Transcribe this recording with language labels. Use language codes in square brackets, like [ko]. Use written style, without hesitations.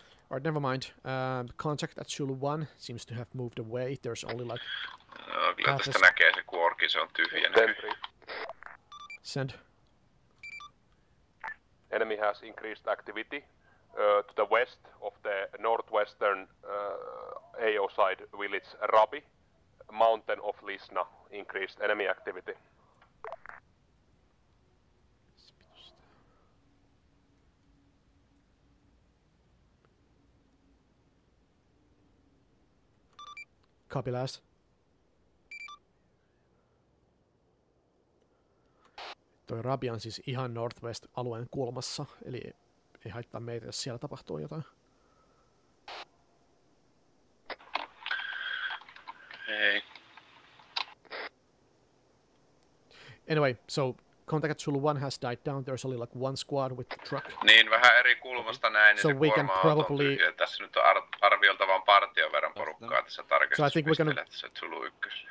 [en] Alright, never mind. Contact at Zulu 1 seems to have moved away. There's only like... [fi] No, kyllä tästä näkee se kuorki, se on tyhjä näkyy. [en] Send. Enemy has increased activity to the west of the northwestern AO side village Rabi, mountain of Lisna, increased enemy activity. Copy last. [fi] Toi Rabi on siis ihan northwest-alueen kulmassa, eli ei haittaa meitä, jos siellä tapahtuu jotain. Hei. [en] Anyway, so contact at Zulu 1 has died down, there's only like one squad with the truck. [fi] Niin, vähän eri kulmasta näin, niin [en] so [fi] se kuorma on [en] probably... [fi] Tässä nyt on arviolta vaan partion verran porukkaa tässä tarkastuspistelässä Zulu 1.